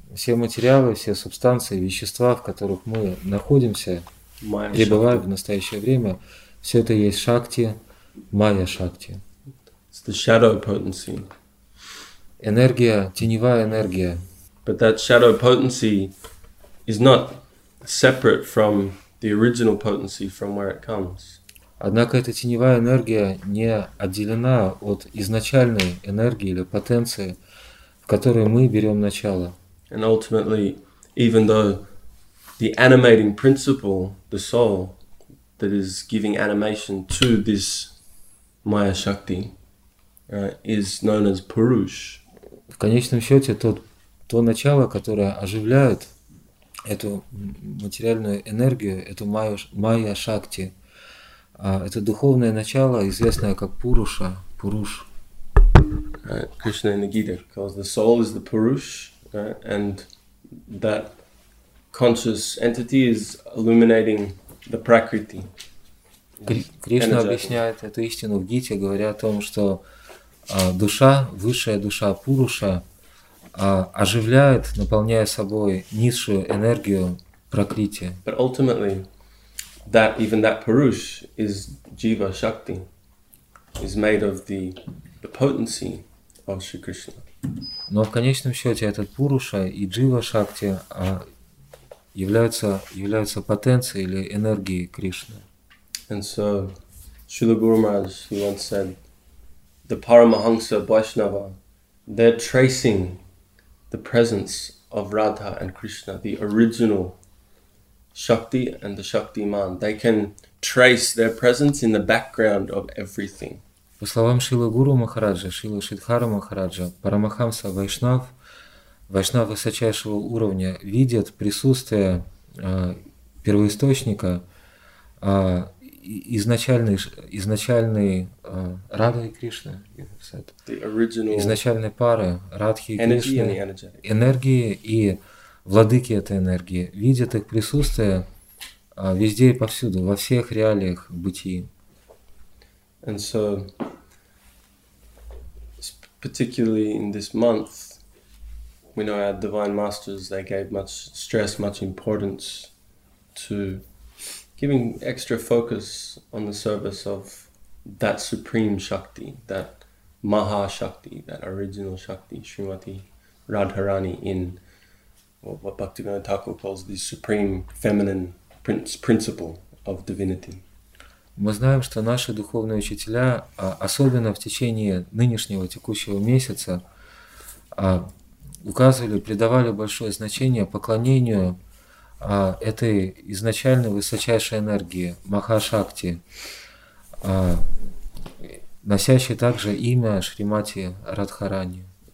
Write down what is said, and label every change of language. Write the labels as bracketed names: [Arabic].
[Russian] все материалы, все субстанции, вещества, в которых мы находимся, Майя пребываем Шакти. в настоящее время, все это есть шакти, майя шакти. [English] It's the shadow potency. [Russian] Энергия, теневая энергия. [English] But that shadow potency is not separate from the original potency from where it comes. [Russian] Однако эта теневая энергия не отделена от изначальной энергии или потенции, в которой мы берем начало. [English] And ultimately, even though the animating principle, the soul, that is giving animation to this Maya Shakti, is known as Purush. [Russian] В конечном счете, то начало, которое оживляет эту материальную энергию, эту майя шакти, это духовное начало, известное как Пуруша, Пуруш. [English] Krishna in the Gita calls the soul is the Purush, and that conscious entity is illuminating the Prakriti. [Russian] Кришна объясняет эту истину в Гите, говоря о том, что душа, высшая душа Пуруша, оживляет, наполняя собой низшую энергию Пракрити. [English] But ultimately, that even that Purush is Jiva Shakti, is made of the potency of Shri Krishna. [Russian] Но в конечном счете этот Пуруша и Джива Шакти являются потенцией или энергией Кришны. [English] And so, Srila Guru Maharaj, he once said, the Paramahansa Vaishnava, they're tracing the presence of Radha and Krishna, the original Shakti and the Shaktiman. They can trace their presence in the background of everything. [Russian] По словам Шрилы Гуру Махараджа, Шрилы Шридхара Махараджа, Парамахамса Вайшнав, Вайшнав высочайшего уровня, видят присутствие первоисточника изначальной Радхи и Кришны, изначальной пары Радхи и Кришны, энергии и владыки этой энергии, видят их присутствие везде и повсюду, во всех реалиях бытия. [English] And so, particularly in this month, we know our divine masters, they gave much stress, much importance to giving extra focus on the service of that supreme Shakti, that Maha Shakti, that original Shakti, Srimati Radharani in what Bhaktivinoda Thakur calls the supreme feminine principle of divinity. [Russian] Мы знаем, что наши духовные учителя, особенно в течение нынешнего текущего месяца, указывали, придавали большое значение поклонению этой изначальной высочайшей энергии, Махашакти, носящей также имя Шримати Радхарани.